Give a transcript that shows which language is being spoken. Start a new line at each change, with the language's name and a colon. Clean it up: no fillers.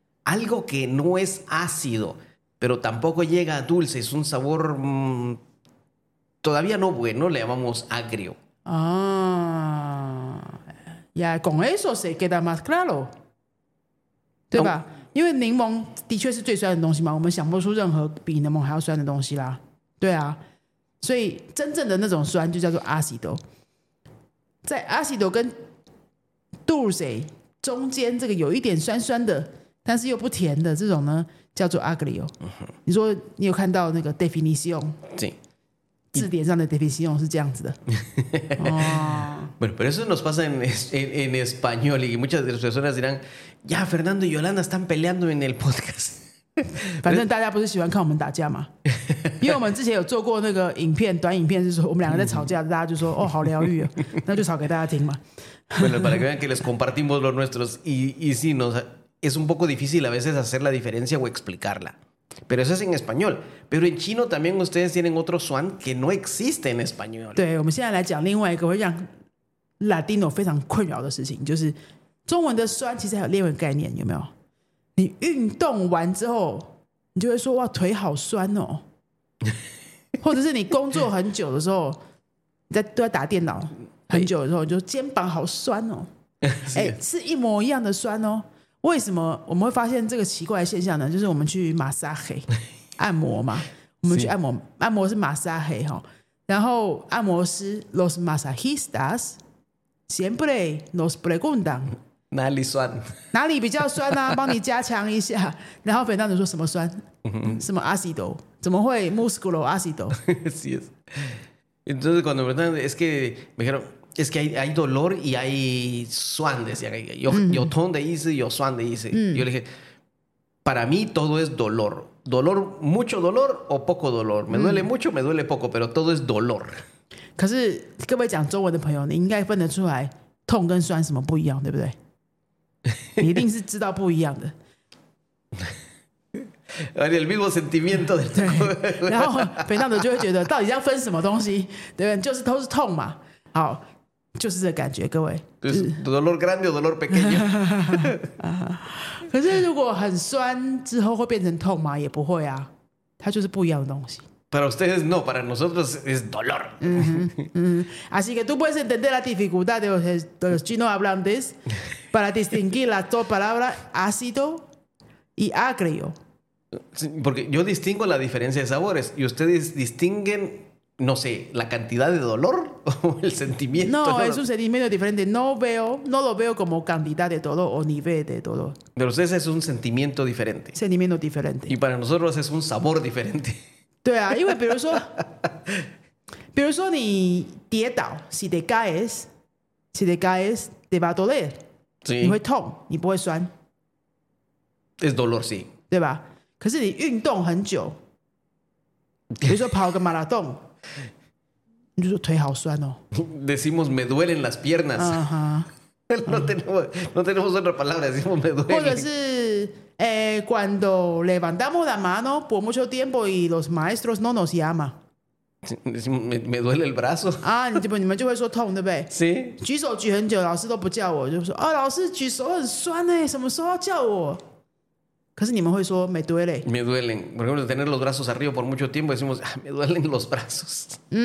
Spanish: Algo que no es ácido, pero tampoco llega a dulce, es un sabor todavía no bueno, le llamamos agrio. Ah, ya con eso se queda más claro. ¿Tú va? No. Porque el limón, de hecho, es el más suave de cosas, ¿no? Nosotros no podemos pensar en ningún limón más suave de cosas. Sí.
Chinese: 所以真正的那种酸就叫做 ácido， 在 ácido 跟 dulce 中间这个有一点酸酸的，但是又不甜的这种呢，叫做 agrio。你说你有看到那个 definición？对，字典上的 definición 是这样子的。
Spanish: 哦，bueno, pero eso nos pasa en español y muchas de las personas dirán, ya Fernando y Yolanda están peleando en el podcast。
Chinese: 反正大家不是喜欢看我们打架吗？因为我们之前有做过那个影片，短影片，就是说我们两个在吵架，大家就说哦，好疗愈啊，那就吵给大家听嘛。
Spanish: Bueno, para que vean que les compartimos los nuestros y sí, nos es un poco difícil a veces hacer la diferencia o explicarla. Pero eso es en español. Pero en chino también ustedes tienen otro suan que no existe en español.
Chinese: 对，我们现在来讲另外一个会让 Latino 非常困扰的事情，就是中文的酸其实还有另外一个概念，有没有？你运动完之后，你就会说哇，腿好酸哦。或者是你工作很久的时候，你在都在打电脑很久的时候，你就肩膀好酸哦。哎、欸，是一模一样的酸哦。为什么我们会发现这个奇怪的现象呢？就是我们去 massage 按摩嘛，我们去按摩，按摩是 massage 哈。然后按摩师
Spanish: los masajistas siempre nos preguntan。
Chinese: 哪里酸？哪里比较酸啊？帮你加强一下。然后粉丹子说什么酸？什么 ácido？怎么会
Spanish: músculo ácido？ Sí es. Entonces cuando me dijeron es que me dijeron es que hay dolor y hay 酸 decían yo tón de ese yo 酸 de ese. Yo le dije para mí todo es dolor. Dolor mucho dolor o poco dolor. Me duele mucho, me duele poco, pero todo es dolor.
Chinese: 可是各位讲中文的朋友，你应该分得出来痛跟酸什么不一样，对不对？你一定是知道不一样的。
Spanish: El mismo sentimiento del
Chinese: t- 然后肥胖的就会觉得到底要分什么东西，对不对？就是都是痛嘛。好，就是这个感觉，各位。就是
Spanish: dolor grande o dolor pequeño。
Chinese: 可是如果很酸之后会变成痛吗？也不会啊，它就是不一样的东西。
Spanish: Para ustedes no, para nosotros es dolor. Así que tú puedes entender la dificultad de los chinos hablantes para distinguir las dos palabras ácido y agrio. Sí, porque yo distingo la diferencia de sabores y ustedes distinguen, no sé, la cantidad de dolor o el sentimiento. No, es un sentimiento diferente. No veo, no lo veo como cantidad de dolor o nivel de dolor. Pero ustedes es un sentimiento diferente. Sentimiento diferente. Y para nosotros es un sabor diferente.
Chinese: 对啊，因为比如说你跌倒
Spanish: si te caes, te va a doler、 sí.
Chinese: 你会痛，你不会酸
Spanish: es dolor, sí
Chinese: 对吧？可是你运动很久，比如说跑个马拉松，你就说腿好酸哦
Spanish: decimos me duelen las piernas、no tenemos otra palabra, decimos me duelen
Chinese: 或者是
Spanish: cuando levantamos la mano por mucho tiempo y los maestros no nos llaman. Me duele el brazo.
Chinese: Ah, 你们就会说痛，对不对？
Spanish: sí.
Chinese: 举手举很久，老师都不叫我，就说，哦，老师举手很酸耶，什么时候要叫我？可是你们会说
Spanish: me duele. Me duelen. Por ejemplo, tener los brazos arriba por mucho tiempo, decimos, ah, me duelen los brazos.